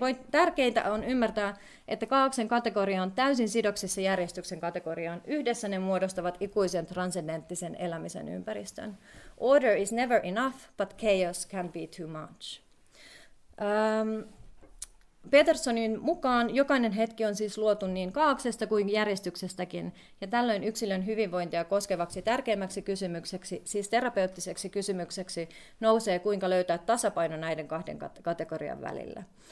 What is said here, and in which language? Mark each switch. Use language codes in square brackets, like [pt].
[fi] Tärkeintä on ymmärtää, että kaaoksen kategoria on täysin sidoksissa järjestyksen kategoriaan. Yhdessä ne muodostavat ikuisen transcendenttisen elämisen ympäristön. [en] Order is never enough, but chaos can be too much. [fi] Petersonin mukaan jokainen hetki on siis luotu niin kaaoksesta kuin järjestyksestäkin, ja tällöin yksilön hyvinvointia koskevaksi tärkeimmäksi kysymykseksi, siis terapeuttiseksi kysymykseksi, nousee kuinka löytää tasapaino näiden kahden kategorian välillä.